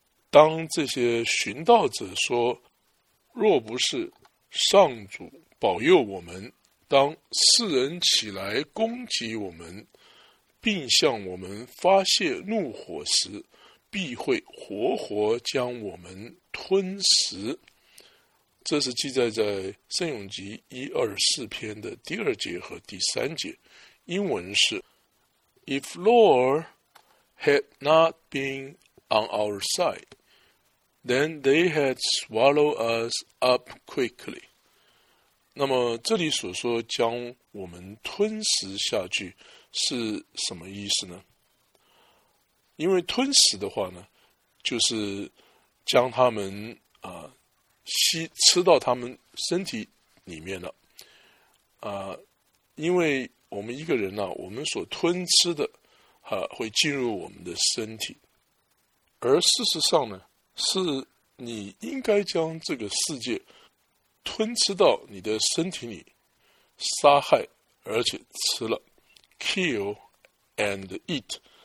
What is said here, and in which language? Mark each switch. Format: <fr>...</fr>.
<zh>当这些寻道者说若不是上主保佑我们，当世人起来攻击我们并向我们发泄怒火时，必会活活将我们吞食。这是记载在圣咏集124篇的第二节和第三节，英文是</zh> <en>If Lord had not been on our side, then they had swallowed us up quickly。</en> <zh>那么这里所说将我们吞食下去是什么意思呢？因为吞食的话呢，就是将他们吃到他们身体里面了因为我们一个人我们所吞吃的会进入我们的身体，而事实上呢，是你应该将这个世界吞吃到你的身体里，杀害而且吃了</zh> <en>kill and eat。</en>